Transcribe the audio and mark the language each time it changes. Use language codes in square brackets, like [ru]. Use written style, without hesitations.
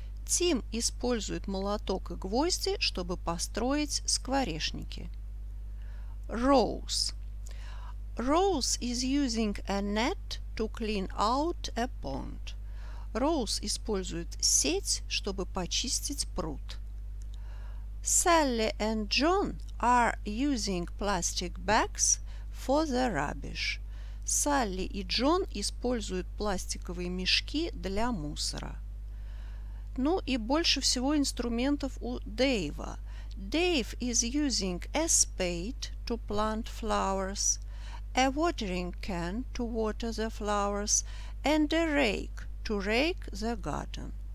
[ru] Тим использует молоток и гвозди, чтобы построить скворечники. [en] Rose. Rose is using a net to clean out a pond. [ru] Rose использует сеть, чтобы почистить пруд. [en] Sally and John are using plastic bags for the rubbish. [ru] Салли и Джон используют пластиковые мешки для мусора. Ну и больше всего инструментов у Дэйва. [en] Dave is using a spade to plant flowers, a watering can to water the flowers, and a rake to rake the garden.